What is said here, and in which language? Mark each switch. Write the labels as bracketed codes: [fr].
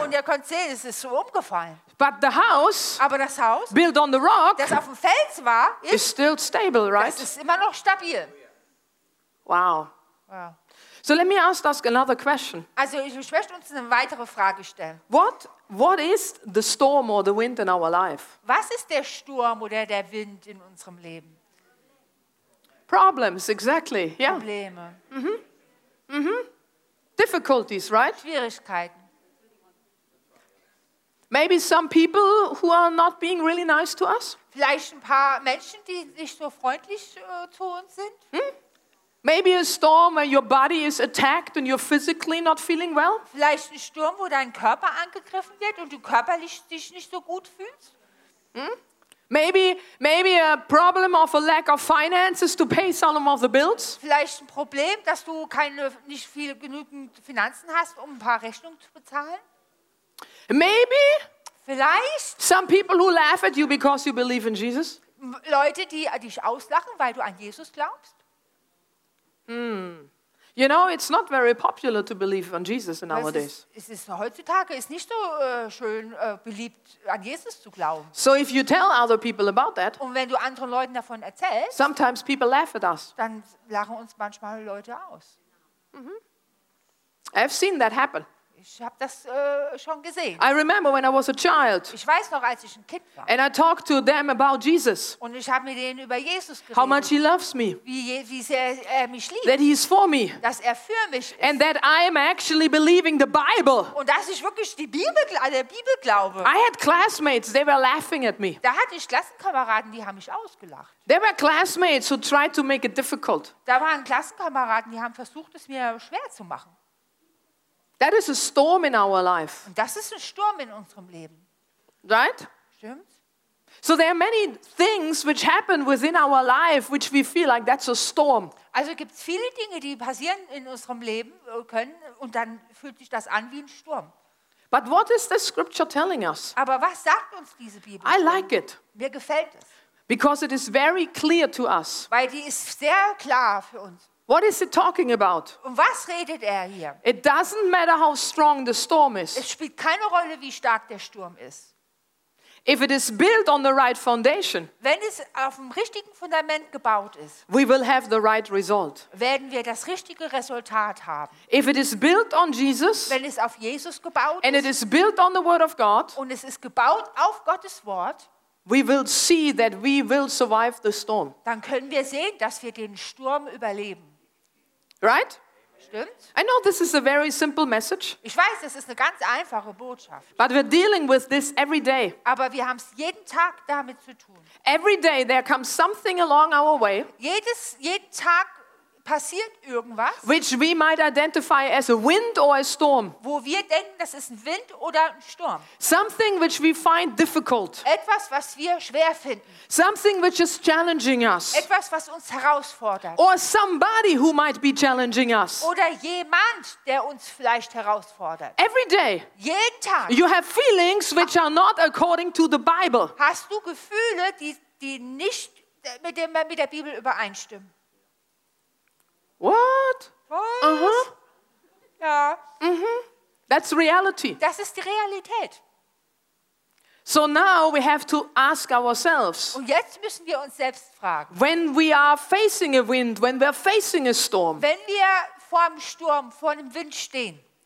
[de] Und ihr könnt sehen, es ist so umgefallen. [en] But the house, [de] aber das Haus, [en] built on the rock, [de] das auf dem Fels war, [en] is still stable, right? [de] Das ist immer noch stabil. [en] Wow. So let me ask another question. [de] Also ich möchte uns eine weitere Frage stellen. [en] What is the storm or the wind in our life? [de] Was ist der Sturm oder der Wind in unserem Leben? [en] Problems, exactly. Yeah. [de] Probleme. [en] Difficulties, right? [de] Schwierigkeiten. [en] Maybe some people who are not being really nice to us. [de] Vielleicht ein paar Menschen, die nicht so freundlich zu uns sind. [en] Maybe a storm where your body is attacked and you're physically not feeling well. [de] Vielleicht ein Sturm, wo dein Körper angegriffen wird und du körperlich dich nicht so gut fühlst. [en] Maybe a problem of a lack of finances to pay some of the bills. [de] Vielleicht ein Problem, dass du nicht genügend Finanzen hast, um ein paar Rechnungen zu bezahlen. [en] Maybe [de] vielleicht [en] some people who laugh at you because you believe in Jesus. [de] Leute, die dich auslachen, weil du an Jesus glaubst. [en] You know, it's not very popular to believe on Jesus in our days. [de] Es ist heutzutage ist nicht so schön beliebt an Jesus zu glauben. [en] So if you tell other people about that, [de] und wenn du anderen Leuten davon erzählst, [en] sometimes people laugh at us. [de] Dann lachen uns manchmal Leute aus. [en] I've seen that happen. [de] Ich habe das schon gesehen. [en] I remember when I was a child. [de] Ich weiß noch, als ich ein Kind war. [en] And I talked to them about Jesus. [de] Und ich habe mit denen über Jesus geredet. [en] How much he loves me. [de] Wie sehr er mich liebt. [en] That he is for me. [de] Dass er für mich ist. [en] And that I am actually believing the Bible. [de] Und dass ich wirklich an der Bibel glaube. [en] I had classmates, they were laughing at me. [de] Da hatte ich Klassenkameraden, die haben mich ausgelacht. [en] There were classmates who tried to make it difficult. [de] Da waren Klassenkameraden, die haben versucht, es mir schwer zu machen. [en] That is a storm in our life. [de] Und das ist ein Sturm in unserem Leben. [en] Right? [de] Stimmt. [en] So there are many things which happen within our life which we feel like that's a storm. [de] Also gibt's viele Dinge, die passieren in unserem Leben können und dann fühlt sich das an wie ein Sturm. [en] But what is the scripture telling us? [de] Aber was sagt uns diese Bibel? [en] I like it. [de] Mir gefällt es. [en] Because it is very clear to us. [de] Weil die ist sehr klar für uns. [en] What is it talking about? [de] Um was redet er hier? [en] It doesn't matter how strong the storm is. [de] Es spielt keine Rolle, wie stark der Sturm ist. [en] If it is built on the right foundation, [de] wenn es auf dem richtigen Fundament gebaut ist, [en] we will have the right result. [de] Werden wir das richtige Resultat haben. [en] If it is built on Jesus, [de] wenn es auf Jesus gebaut [en] and [de] ist, [en] it is built on the word of God, [de] und es ist gebaut auf Gottes Wort, [en] we will see that we will survive the storm. [de] Dann können wir sehen, dass wir den Sturm überleben. [en] Right? [de] Stimmt. [en] I know this is a very simple message. [de] Ich weiß, das ist eine ganz einfache Botschaft. [en] But we're dealing with this every day. [de] Aber wir haben es jeden Tag damit zu tun. [en] Every day there comes something along our way. [de] Jeden Tag passiert irgendwas. [en] Which we might identify as a wind or a storm. [de] Wo wir denken, das ist ein Wind oder ein Sturm. [en] Something which we find difficult. [de] Etwas, was wir schwer finden. [en] Something which is challenging us. [de] Etwas, was uns herausfordert. [en] Or somebody who might be challenging us. [de] Oder jemand, der uns vielleicht herausfordert. [en] Every day. [de] Jeden Tag. [en] You have feelings which are not according to the Bible. [de] Hast du Gefühle, die nicht mit der Bibel übereinstimmen? [en] What? [de] Was? Uh-huh. Ja. [en] Mm-hmm. That's reality. [de] Das ist die Realität. [en] So now we have to ask ourselves. [de] Und jetzt müssen wir uns selbst fragen. [en] When we are facing a wind, when we are facing a storm. [de] Wenn wir vor dem Sturm, vor dem Wind stehen.